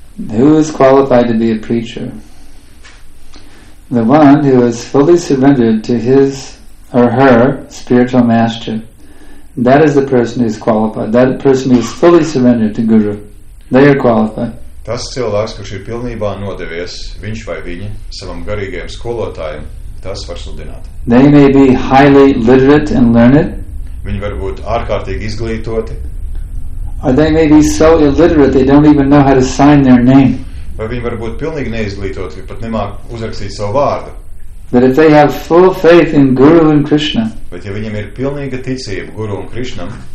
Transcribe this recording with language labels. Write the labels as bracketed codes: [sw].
[en] Who is qualified to be a preacher? The one who is fully surrendered to his or her spiritual master. That is the person who is qualified. That person who is fully surrendered to Guru. They are qualified. [lv] Tas cilvēks, kurš ir pilnībā nodevies, viņš vai viņa, savam garīgajam skolotājam, tas var sludināt. [en] They may be highly literate and learned. [lv] Viņi var būt ārkārtīgi izglītoti. [en] Or they may be so illiterate they don't even know how to sign their name. [lv] Vai viņi var būt pilnīgi neizglītoti, viņi pat nemāk uzrakstīt savu vārdu. [en] But if they have full faith in Guru and Krishna, [lv] bet ja viņiem ir pilnīga ticība Guru un Krishnam,